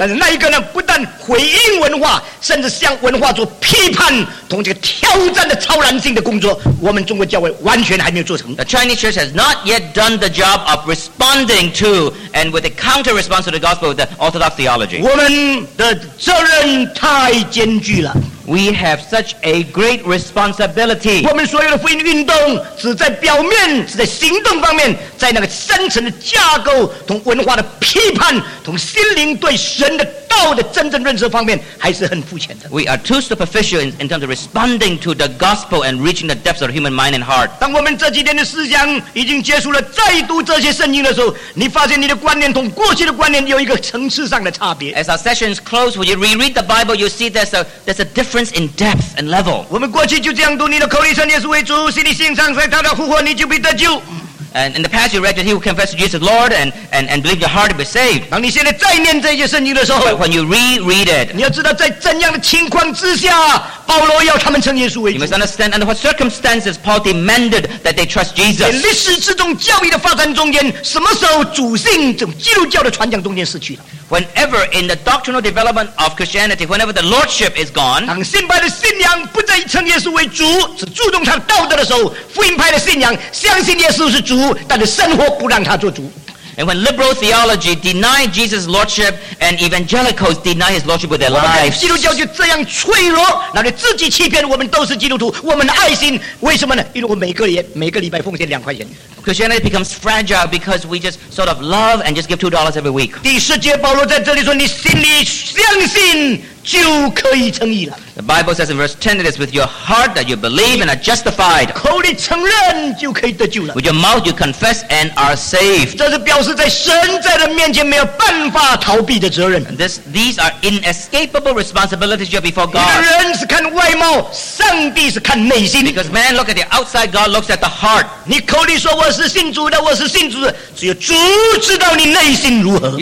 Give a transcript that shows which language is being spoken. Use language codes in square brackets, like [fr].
[zh] 但是那一个呢，不但回应文化，甚至向文化做批判同这个挑战的超然性的工作，我们中国教会完全还没有做成。 [en] The Chinese church has not yet done the job of responding to and with a counter response to the gospel with the orthodox theology. [zh] 我们的责任太艰巨了。 [en] We have such a great responsibility. [zh] 我们所有的福音运动只在表面，只在行动方面，在那个深层的架构同文化的批判同心灵对神的道的真正认识方面还是很肤浅的。 [en] We are too superficial in terms of responding to the gospel and reaching the depths of the human mind and heart. [zh] 当我们这几天的思想已经结束了，再读这些圣经的时候，你发现你的观念同过去的观念有一个层次上的差别。 [en] As our sessions close, when you reread the Bible, you see there's a difference in depth and level. [zh] 我们过去就这样读，你的口里称耶稣为主，心里信上帝，祷告呼唤，你就必得救。 [en] And in the past, you read that he who confessed to Jesus as Lord and believed your heart to be saved. [zh] 当你现在再念这些圣经的时候， [en] But when you reread it, [zh] 你要知道在怎样的情况之下，保罗要他们称耶稣为主。 [en] You must understand under what circumstances Paul demanded that they trust Jesus. [zh] 在历史之中，教义的发展中间，什么时候主性从基督教的传讲中间失去了？ [en] Whenever in the doctrinal development of Christianity, whenever the lordship is gone, [zh] 当信派的信仰不再称耶稣为主，只注重他道德的时候，福音派的信仰相信耶稣是主。但是生活不让他做主。 [en] And when liberal theology denied Jesus' lordship and evangelicals denied his lordship with their lives, [zh] 基督教就这样脆弱，那就自己欺骗我们都是基督徒，我们的爱心为什么呢？因为我每个礼拜奉献$2。 [en] Christianity becomes fragile because we just sort of love and just give $2 every week. [zh] 第十节，保罗在这里说：“你心里相信。” 就可以称义了。 [en] The Bible says in verse 10, it is with your heart that you believe and are justified. [zh] 口里承认就可以得救了。 [en] With your mouth you confess and are saved. [zh] 这是表示在神在的面前没有办法逃避的责任。 [en] These are inescapable responsibilities you have before God. [zh] 一个人是看外貌，上帝是看内心。 [en] Because man looks at the outside, God looks at the heart. [zh] 你口里说我是信主的，我是信主的，只有主知道你内心如何。